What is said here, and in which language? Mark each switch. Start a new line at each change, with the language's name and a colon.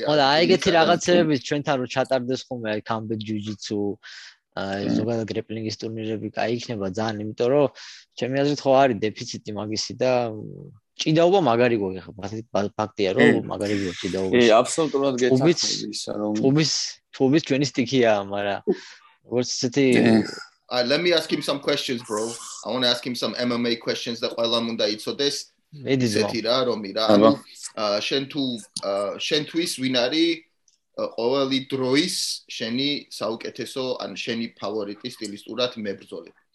Georgian: ხო და აი ეგეთი რაღაცები ჩვენთან რო ჩატარდეს ხოლმე აი კამბეთ ჯიუჯიცუ აი ზოგადად გრეპლინგის ტურნირები კაი იქნება ძალიან, იმიტომ რომ ჩემი აზრით ხო არის დეფიციტი მაგისი და ჭიდაობა მაგარი გვაქვს, ფაქტია რომ მაგარი გვაქვს ჭიდაობა. ე აბსოლუტურად გეთახმები ისა რომ ფუბის ჩვენი სტიქიაა, მაგრამ როგორც ესეთი
English: აი let me ask him some questions bro, I want to ask him some MMA questions that while I'm on the it so this
Georgian: ესეთი რა რომი რა ანუ შენთვის ვინ არის ყოველი დროის შენი საუკეთესო ან შენი ფავორიტი სტილისტურად მებრძოლი?